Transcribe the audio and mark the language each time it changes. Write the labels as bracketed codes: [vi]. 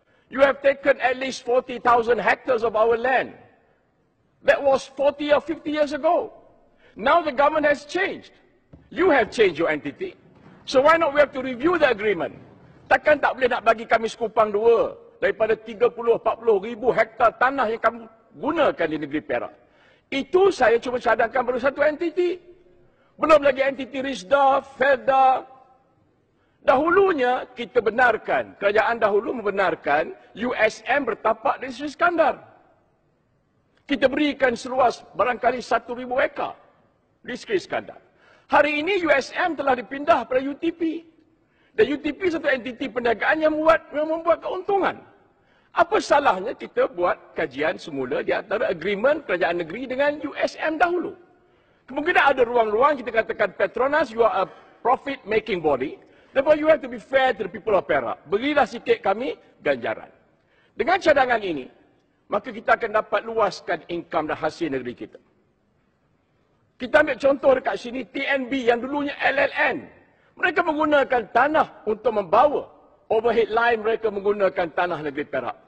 [en] You have taken at least 40,000 hectares of our land. That was 40 or 50 years ago. Now the government has changed. You have changed your entity. So why not we have to review the agreement? [ms] Takkan tak boleh nak bagi kami sekupang dua daripada 30-40 ribu hektar tanah yang kamu gunakan di negeri Perak. Itu saya cuma cadangkan baru satu entiti. Belum lagi entiti Risda, Felda. Dahulunya kita benarkan, kerajaan dahulu membenarkan USM bertapak di Sri Iskandar. Kita berikan seluas barangkali 1,000 ekar di Sri Iskandar. Hari ini USM telah dipindah pada UTP. Dan UTP satu entiti perniagaan yang membuat keuntungan. Apa salahnya kita buat kajian semula di antara agreement kerajaan negeri dengan USM dahulu? [en] Mungkin ada ruang-ruang kita katakan Petronas, you are a profit making body. Therefore you have to be fair to the people of Perak. [ms] Berilah sikit kami ganjaran. Dengan cadangan ini, maka kita akan dapat luaskan income dan hasil negeri kita. Kita ambil contoh dekat sini, TNB yang dulunya LLN. Mereka menggunakan tanah untuk membawa overhead line, mereka menggunakan tanah negeri Perak.